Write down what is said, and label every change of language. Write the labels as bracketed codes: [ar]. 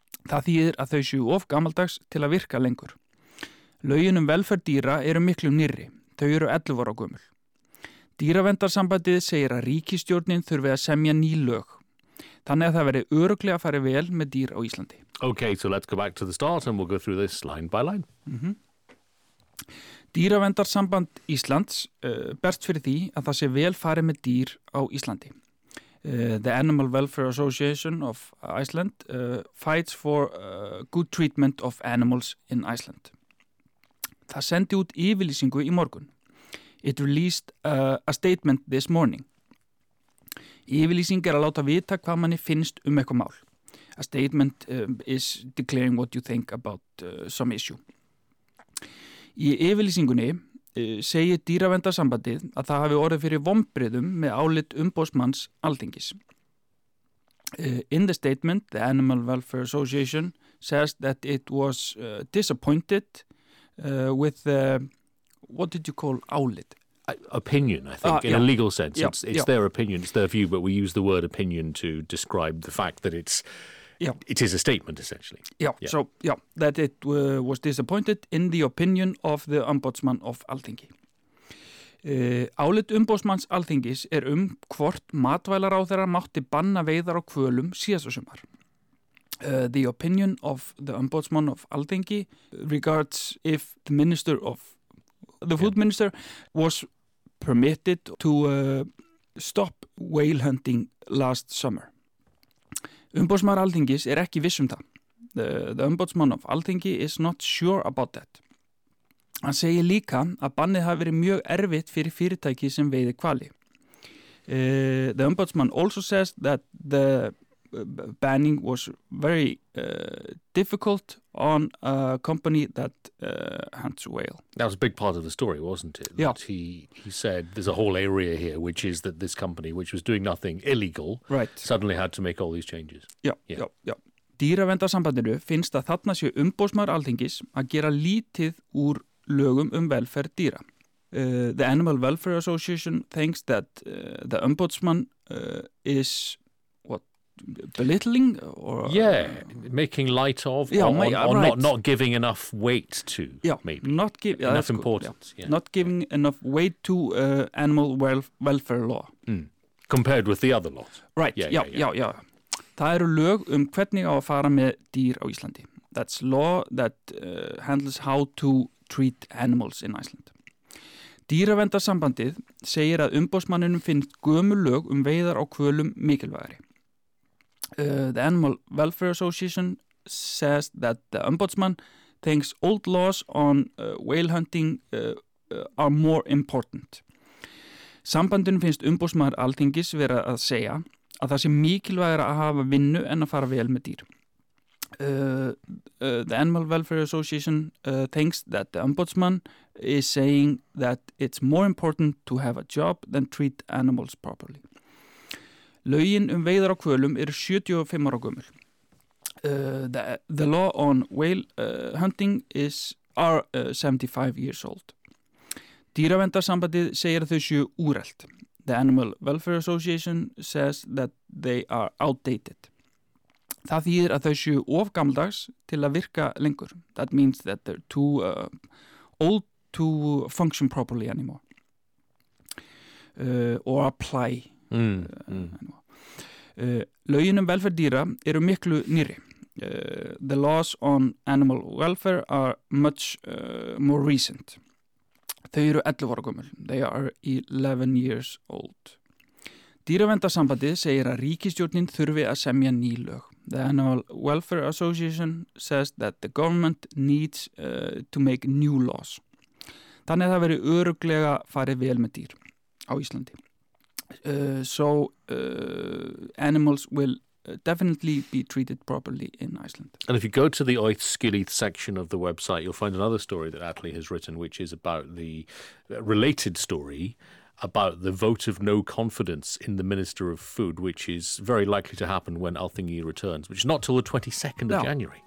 [is] Það þýðir að þau séu of gamaldags til að virka lengur. Lögin velferð dýra miklu nýrri. Þau 11 ára gömul. Dýraverndarsambandið segir að ríkisstjórnin þurfi að semja ný lög. Þannig að það veri örugglega að fara vel með dýr á Íslandi. [en] Okay, so let's go back to the start and we'll go through this line by line. Mm-hmm. [is] Dýraverndarsamband Íslands berst fyrir því að það sé vel farið með dýr á Íslandi. [en] The Animal Welfare Association of Iceland fights for good treatment of animals in Iceland. [is] Það sendi út yfirlýsingu í morgun. [en] It released a statement this morning. [is] Yfirlýsing að láta vita hvað manni finnst eitthvað mál. [en] A statement is declaring what you think about some issue. [is] Í yfirlýsingunni segir dýraverndarsambandið að það hafi orðið fyrir vonbrigðum með álit umboðsmanns Alþingis. [en] In the statement, the Animal Welfare Association says that it was disappointed with the, what did you call, álit? Opinion, I think, in a legal sense. Yeah, it's their opinion, it's their view, but we use the word opinion to describe the fact that it's it is a statement, essentially. So that it was disappointed in the opinion of the Ombudsman of Alþingi. [is] Álit umboðsmanns Alþingis hvort matvælaráðherra mátti banna veiðar á kvölum síðasta sumar. [en] The opinion of the Ombudsman of Alþingi regards if the minister of the food minister was permitted to stop whale hunting last summer. [is] Umboðsmaður Alþingis ekki viss það. [en] The Ombudsman of Alþingi is not sure about that. [is] Hann segir líka að bannið hafi verið mjög erfitt fyrir fyrirtæki sem veiði hvali. [en] The Ombudsman also says that the banning was very difficult on a company that hunts whale. That was a big part of the story, wasn't it? Yeah. That he said there's a whole area here, which is that this company, which was doing nothing illegal, suddenly had to make all these changes. Yeah. [is] Dýraverndarsambandinu finnst að þarna sé umboðsmaður Alþingis að gera lítið úr lögum velferð dýra. [en] The Animal Welfare Association thinks that the ombudsman is belittling or making light of not giving enough weight to enough weight to animal welfare law compared with the other laws [is] Það eru lög hvernig að fara með dýr á Íslandi. [en] That's law that handles how to treat animals in Iceland. [is] Dýraverndarsambandið segir að umboðsmanninum finnst gömul lög veiðar á kvölum mikilvægari. [en] The Animal Welfare Association says that the ombudsman thinks old laws on whale hunting are more important. [is] Sambandinu finnst umboðsmaður Alþingis vera að segja að það sé mikilvægara að hafa vinnu en að fara vel með dýr. [en] The Animal Welfare Association thinks that the ombudsman is saying that it's more important to have a job than treat animals properly. [is] Lögin veiðar á kvölum 75 ára gömul. [en] The law on whale hunting are 75 years old. [is] Dýraverndarsambandið segir að þau séu úrelt. [en] The Animal Welfare Association says that they are outdated. [is] Það þýðir að þau séu of gamaldags til að virka lengur. [en] That means that they're too old to function properly anymore. Or apply anymore. [is] Lögin velferð dýra miklu nýrri. [en] The laws on animal welfare are much more recent. [is] Þau 11 ára gömul. [en] They are 11 years old. [is] Dýraverndarsambandið segir að ríkisstjórnin þurfi að semja ný lög. [en] The Animal Welfare Association says that the government needs to make new laws. [is] Þannig að það veri öruglega farið vel með dýr á Íslandi. [en] So animals will definitely be treated properly in Iceland. And if you go to the AUÐSKILIÐ section of the website, you'll find another story that Atli has written, which is about the related story about the vote of no confidence in the Minister of Food, which is very likely to happen when Althingi returns, which is not till the 22nd of January.